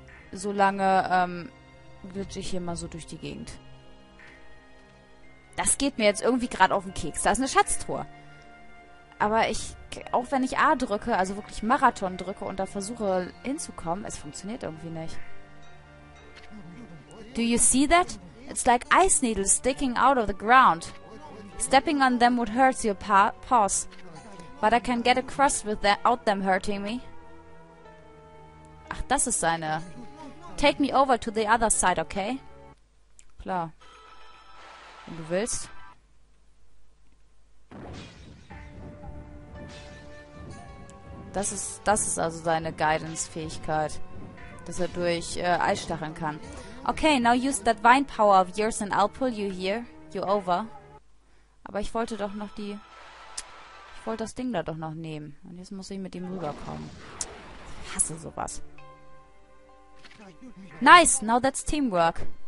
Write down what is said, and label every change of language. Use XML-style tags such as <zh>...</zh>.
<de>Solange glitsche ich hier mal so durch die Gegend. Das geht mir jetzt irgendwie gerade auf den Keks. Da ist eine Schatztruhe. Aber ich, auch wenn ich A drücke, also wirklich Marathon drücke und da versuche hinzukommen, es funktioniert irgendwie nicht.</de> <en>Do you see that? It's like ice needles sticking out of the ground. Stepping on them would hurt your paws. But I can get across without them hurting me.</en> <de>Ach, das ist seine.</de> <en>Take me over to the other side, okay?</en> <de>Klar. Wenn du willst. Das ist also seine Guidance-Fähigkeit. Dass er durch Eis stacheln kann.</de> <en>Okay, now use that vine power of yours and I'll pull you here. You over.</en> <de>Aber ich wollte doch noch die... Ich wollte das Ding da doch noch nehmen. Und jetzt muss ich mit ihm rüberkommen. Ich hasse sowas.</de> <en>Nice, now that's teamwork.</en>